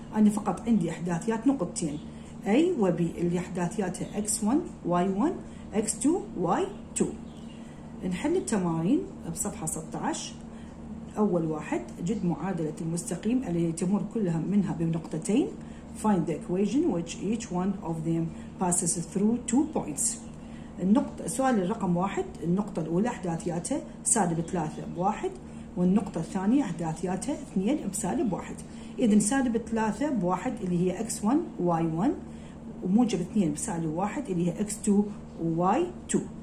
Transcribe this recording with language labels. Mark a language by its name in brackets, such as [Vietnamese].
[Arabic] أنا فقط عندي احداثيات نقطتين A و B اللي احداثياتها X1 Y1 X2 Y2. نحل التمارين بصفحة 16. أول واحد جد معادلة المستقيم التي تمر كلها منها بنقطتين. [English] Find the equation which each one of them passes through two points. [Arabic] النقطة سؤال الرقم واحد، النقطة الأولى احداثياتها -3 ب1 والنقطة الثانية احداثياتها 2 بـ1. إذا -3 ب1 اللي هي x1 y1 وموجب 2 بـ1 اللي هي x2 y2.